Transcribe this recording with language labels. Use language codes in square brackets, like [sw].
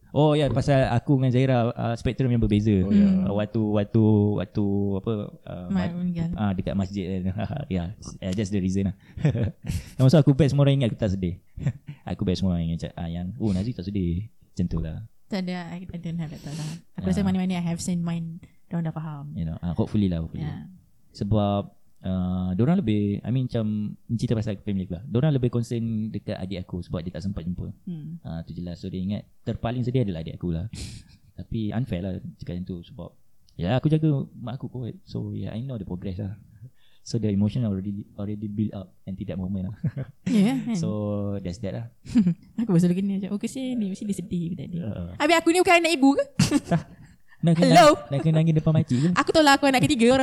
[ms] Oh ya, pasal aku dengan Zaira spektrum yang berbeza. Waktu apa dekat masjid. [en] Yeah, just the reason [ms] lah. Dan masa aku best, semua orang ingat aku tak sedih. Aku best, semua orang ingat yang Nazri tak sedih. Macam tu lah. Tak ada, [en] I don't have that [ms] lah. Aku rasa mana-mana [en] I have seen mine, [ms] diorang dah faham. [en] You know, hopefully lah, hopefully. [ms] Sebab diorang lebih, [en] I mean [ms] macam cerita pasal family aku lah. Diorang lebih concern dekat adik aku sebab dia tak sempat jumpa. Tu je lah. So dia ingat terpaling sedih adalah adik aku lah. Tapi unfair lah cakap macam tu sebab ya aku jaga mak aku kot. [en] So yeah, I know the progress lah. So the emotion already build up until that moment lah. So that's that lah. [ms] Aku pasal gini macam oh kesian ni mesti dia sedih tadi. Habis aku ni bukan anak ibu ke? Nak kena nangis depan makcik ke? Aku tolak aku anak ketiga.